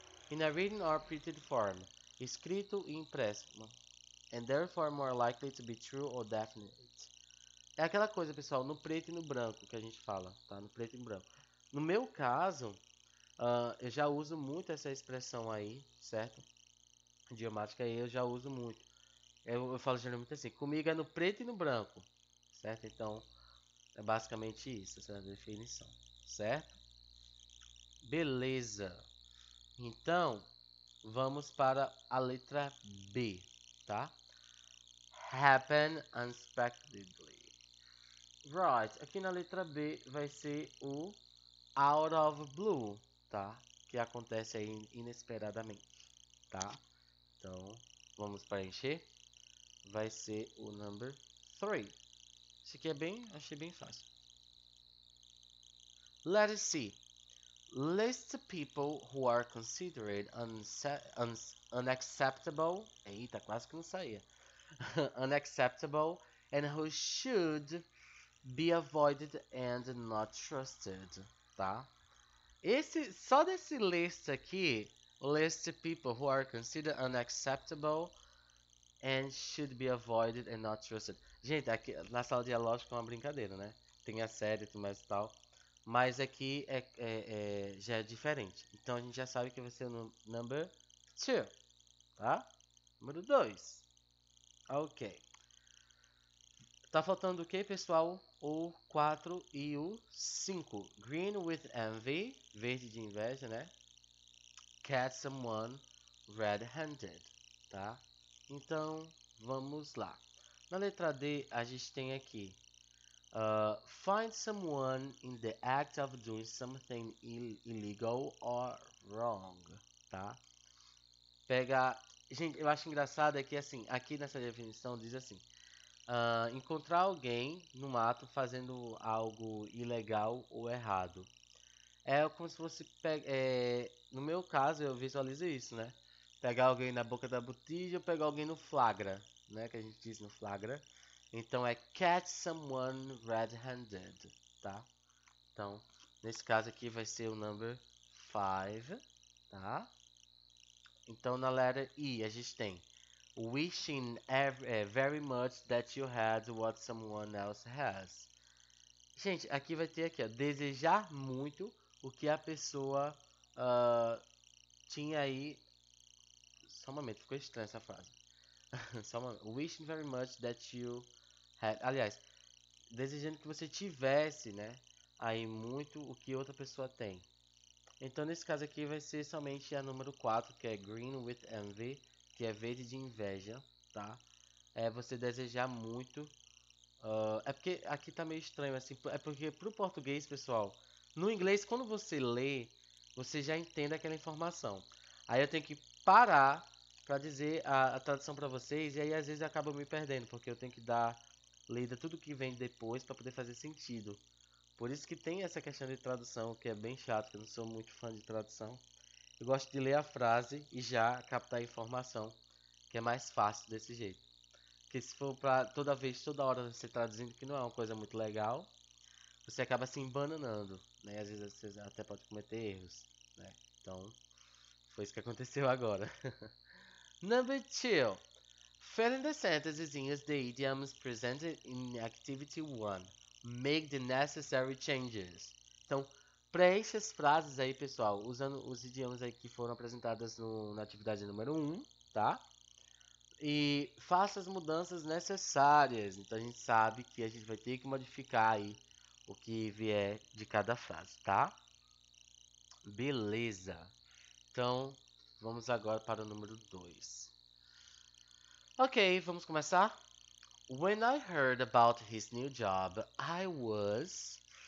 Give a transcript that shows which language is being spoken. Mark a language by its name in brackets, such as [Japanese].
[English] In a written or printed form. [Portuguese] Escrito e impresso. [English] And therefore more likely to be true or definite. [Portuguese] É aquela coisa, pessoal, no preto e no branco que a gente fala, tá? No preto e branco. No meu caso, eu já uso muito essa expressão aí, certo? Idiomática aí eu já uso muito. Eu falo geralmente assim: comigo é no preto e no branco, certo? Então, É basicamente isso, essa é a definição, certo? Beleza. Então, vamos para a letra B, tá? [English] Happen unexpectedly. Right, [Portuguese] aqui na letra B vai ser o [English] out of blue, [Portuguese] tá? Que acontece aí inesperadamente, tá? Então, vamos preencher. Vai ser o number 3. Isso aqui é bem, achei bem fácil. [English] Let us see. List the people who are considered unacceptable. [Portuguese] Eita, quase que não saía. [English] Unacceptable and who should be avoided and not trusted, tá? [Portuguese] Esse, só desse [English] list aqui, list of people who are considered unacceptable and should be avoided and not trusted. [Portuguese] Gente, aqui na sala de lógica é uma brincadeira, né? Tem a série e tudo mais e tal. Mas aqui já é diferente. Então a gente já sabe que vai ser o number 2, tá? Número 2. Ok. Tá faltando o que, pessoal? O 4 e o 5. [English] Green with envy. [Portuguese] Verde de inveja, né? [English] Catch someone red-handed. [Portuguese] Tá? Então, vamos lá. Na letra D, a gente tem aqui. [English] Find someone in the act of doing something illegal or wrong. [Portuguese] Tá? Pega... Gente, eu acho engraçado é que, assim, aqui nessa definição diz assim. Encontrar alguém no mato fazendo algo ilegal ou errado. É como se fosse... no meu caso, eu visualizo isso, né? Pegar alguém na boca da botija ou pegar alguém no flagra, né? Que a gente diz no flagra. Então, é [English] catch someone red-handed, [Portuguese] tá? Então, nesse caso aqui vai ser o number 5, tá? Então, na letra E, a gente tem... [English] Wishing very much that you had what someone else has. [Portuguese] Gente, aqui vai ter aqui, ó. Desejar muito o que a pessoa tinha aí. Só um momento, ficou estranha essa frase. Só um momento. [English] Wishing very much that you had... [Portuguese] Aliás, desejando que você tivesse, né? Aí muito o que outra pessoa tem. Então, nesse caso aqui, vai ser somente a número 4, que é [English] green with envy. [Portuguese] Que é verde de inveja, tá? É você desejar muito. É porque aqui tá meio estranho, assim. É porque pro português, pessoal, no inglês, quando você lê, você já entende aquela informação. Aí eu tenho que parar pra dizer a tradução pra vocês. E aí, às vezes, eu acabo me perdendo. Porque eu tenho que dar lida tudo que vem depois pra poder fazer sentido. Por isso que tem essa questão de tradução, que é bem chato, que eu não sou muito fã de tradução. Eu gosto de ler a frase e já captar a informação, que é mais fácil desse jeito. Porque se for pra toda vez, toda hora você traduzindo, que não é uma coisa muito legal, você acaba se embananando, né? Às vezes você até pode cometer erros, né? Então, foi isso que aconteceu agora. [English] Number 2. Filling the sentences in the idioms presented in Activity 1. Make the necessary changes. [Portuguese] Então, preencha as frases aí, pessoal, usando os idiomas aí que foram apresentados no, na atividade número 1, tá? E faça as mudanças necessárias. Então, a gente sabe que a gente vai ter que modificar aí o que vier de cada frase, tá? Beleza. Então, vamos agora para o número 2. Ok, vamos começar? [English] When I heard about his new job, I was...